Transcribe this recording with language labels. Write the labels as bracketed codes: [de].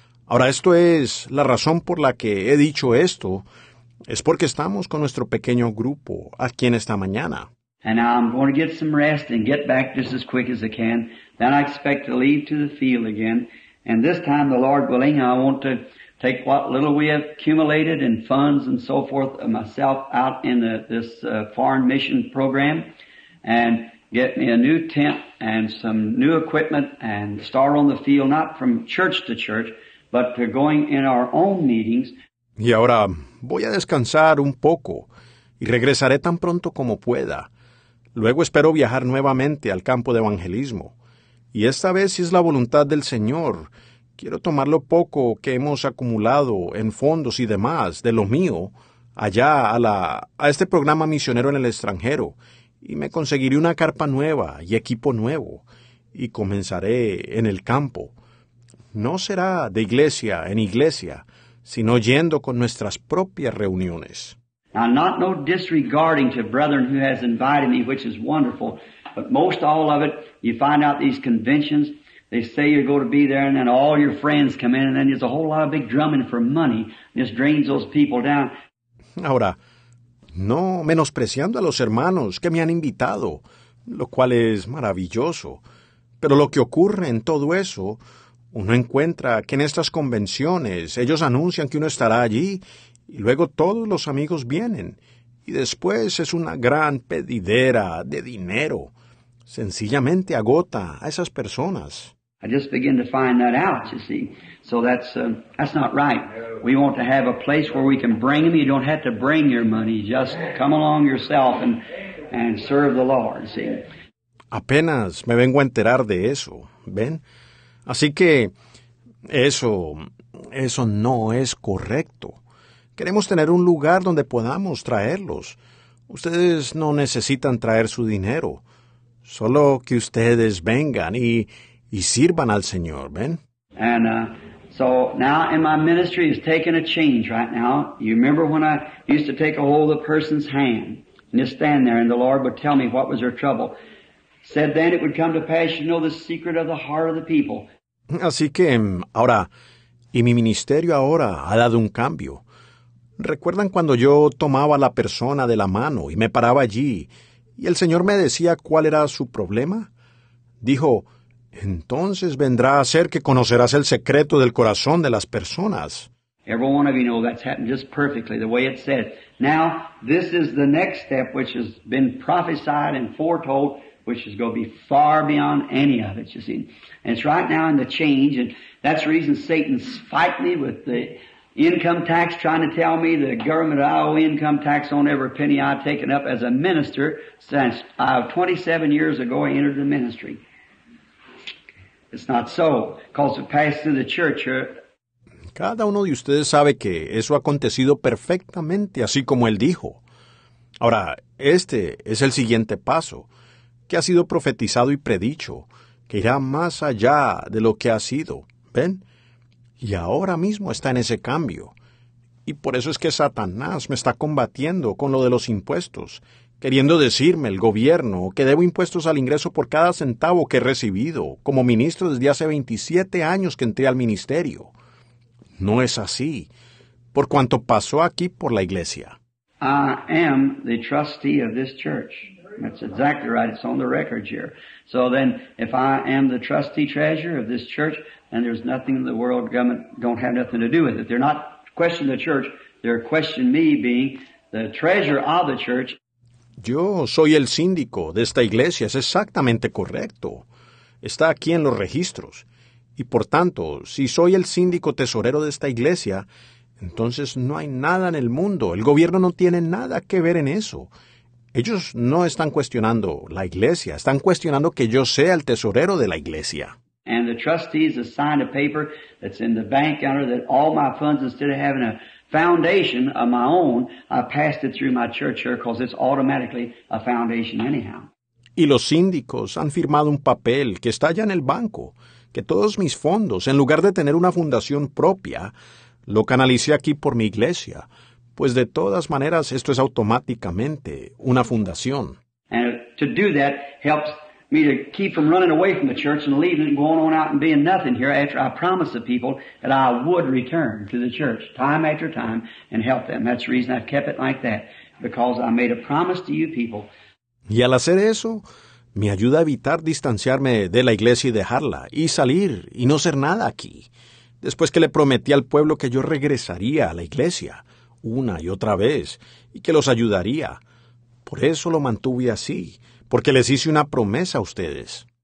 [es] Ahora, esto es la razón por la que he dicho esto. Es porque estamos con nuestro pequeño grupo aquí en esta mañana. [en] And I'm going to get some rest and get back just as quick as I can. Then I expect to leave to the field again. And this time, the Lord willing, I want to take what little we have accumulated in funds and so forth myself out in this foreign mission program and get me a new tent and some new equipment and start on the field, not from church to church, but to going in our own meetings. [es] Y ahora voy a descansar un poco y regresaré tan pronto como pueda. Luego espero viajar nuevamente al campo de evangelismo. Y esta vez, si es la voluntad del Señor, quiero tomar lo poco que hemos acumulado en fondos y demás de lo mío allá a este programa misionero en el extranjero, y me conseguiré una carpa nueva y equipo nuevo y comenzaré en el campo. No será de iglesia en iglesia, sino yendo con nuestras propias reuniones. [en] Now, not no disregarding to brethren who has invited me, which is wonderful, but most all of it, you find out these conventions, they say you're going to be there, and then all your friends come in, and then there's a whole lot of big drumming for money, and just drains those people down. [es] Ahora, no menospreciando a los hermanos que me han invitado, lo cual es maravilloso, pero lo que ocurre en todo eso, Uno encuentra que en estas convenciones ellos anuncian que uno estará allí y luego todos los amigos vienen y después es una gran pedidera de dinero. Sencillamente agota a esas personas. [en] I just begin to find that out, you see. So that's not right. We want to have a place where we can bring them. You don't have to bring your money. Just come along yourself and serve the Lord, see. [es] Apenas me vengo a enterar de eso, ¿ven? Así que eso no es correcto. Queremos tener un lugar donde podamos traerlos. Ustedes no necesitan traer su dinero. Solo que ustedes vengan y sirvan al Señor, ¿ven? [en] And so now in my ministry is taking a change right now. You remember when I used to take a hold of the person's hand and just stand there and the Lord would tell me what was their trouble. Said then it would come to pass, you know, the secret of the heart of the people. [es] Así que ahora, y mi ministerio ahora ha dado un cambio. ¿Recuerdan cuando yo tomaba a la persona de la mano y me paraba allí y el Señor me decía cuál era su problema? Dijo, entonces vendrá a ser que conocerás el secreto del corazón de las personas. [en] Every one of you know that's happened just perfectly, the way it said. Now, this is the next step which has been prophesied and foretold, which is going to be far beyond any of it, you see. And it's right now in the change, and that's the reason Satan's fighting me with the income tax, trying to tell me the government I owe income tax on every penny I've taken up as a minister since 27 years ago I entered the ministry. It's not so, because it passed through the church. [es] Cada uno de ustedes sabe que eso ha acontecido perfectamente, así como él dijo. Ahora, este es el siguiente paso, que ha sido profetizado y predicho, que irá más allá de lo que ha sido, ¿ven? Y ahora mismo está en ese cambio. Y por eso es que Satanás me está combatiendo con lo de los impuestos, queriendo decirme, el gobierno, que debo impuestos al ingreso por cada centavo que he recibido como ministro desde hace 27 años que entré al ministerio. No es así, por cuanto pasó aquí por la iglesia. [en] I am the trustee of this church. That's exactly right. It's on the record here. So then, if I am the trustee treasurer of this church, then there's nothing in the world government don't have nothing to do with it. They're not questioning the church. They're questioning me being the treasurer of the church. [es] Yo soy el síndico de esta iglesia. Es exactamente correcto. Está aquí en los registros. Y por tanto, si soy el síndico tesorero de esta iglesia, entonces no hay nada en el mundo. El gobierno no tiene nada que ver en eso. Ellos no están cuestionando la iglesia. Están cuestionando que yo sea el tesorero de la iglesia. [en] And the trustees have signed a paper that's in the bank under that all my funds, instead of having a foundation of my own, I passed it through my church here because it's automatically a foundation anyhow. [es] Y los síndicos han firmado un papel que está ya en el banco, que todos mis fondos, en lugar de tener una fundación propia, lo canalicé aquí por mi iglesia. Pues de todas maneras, esto es automáticamente una fundación. [en] And to do that helps me to keep from running away from the church and leaving and going on out and being nothing here after I promised the people that I would return to the church time after time and help them. That's the reason I've kept it like that, because I made a promise to you people. [es] Y al hacer eso, me ayuda a evitar distanciarme de la iglesia y dejarla, y salir y no ser nada aquí, después que le prometí al pueblo que yo regresaría a la iglesia una y otra vez, y que los ayudaría. Por eso lo mantuve así, porque les hice una promesa a ustedes.